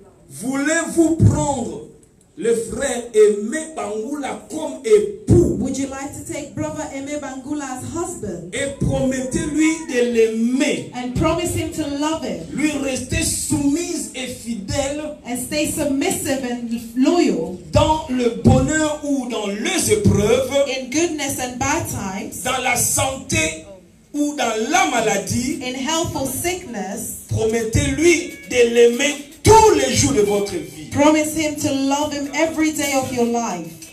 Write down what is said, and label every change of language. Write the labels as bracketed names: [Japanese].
[French] Voulez-vous prendre le frère Aimé Bangula comme époux? [English] Would you like to take brother Aimé Bangula as husband? [French] Et promettez-lui de l'aimer. [English] And promise him to love him. [French] Lui rester soumise et fidèle. [English] And stay submissive and loyal. [French] Dans le bonheur ou dans les épreuves. [English] In goodness and bad times. [French] Dans la santé ou dans la maladie. [English] In health or sickness. [French] Promettez-lui de l'aimer tous les jours de votre vie. [English] Promise him to love him every day of your life.